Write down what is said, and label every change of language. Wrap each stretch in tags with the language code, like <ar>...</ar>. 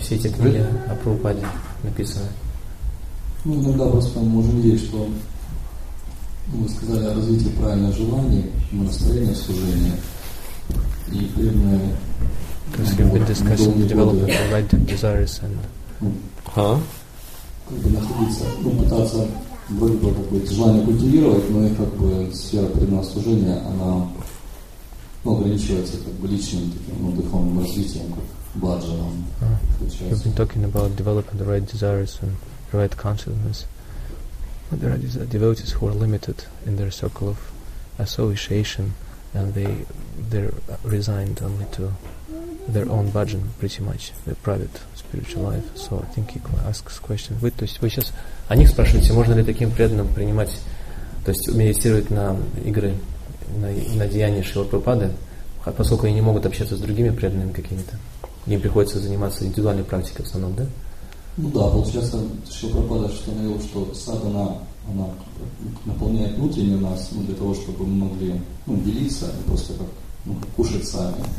<ru>Все эти книги о Прабхупаде написаны. Ну, иногда просто мы можем видеть, что мы сказали о развитии правильного желания, настроения служения. И преданные.</ru> <en>Because we've been discussing the development of right desires and</en> <ru>как бы находиться, ну, пытаться вроде бы какое-то желание культивировать, но и как бы сфера преданного служения, она ограничивается как бы личным таким, ну, духовным развитием, как бладжаном.</ru> <en>You've been talking about developing the right desires and the right consciousness. But there are devotees who are limited in their circle of association, and they're resigned only to their own bhajan, pretty much their private spiritual life. So I think he asks questions.</en> <ru>Вы, то есть вы сейчас о них спрашиваете, можно ли таким преданным принимать, то есть медитировать на игры, на деяния Шрилы Прабхупады, поскольку они не могут общаться с другими преданными какими-то, им приходится заниматься индивидуальной практикой в основном, да? Ну, Ну да, получается, что Прабхупада установил, что садхана, она наполняет внутренний нас, ну, для того, чтобы мы могли, ну, делиться и просто как, ну, кушать сами.</ru>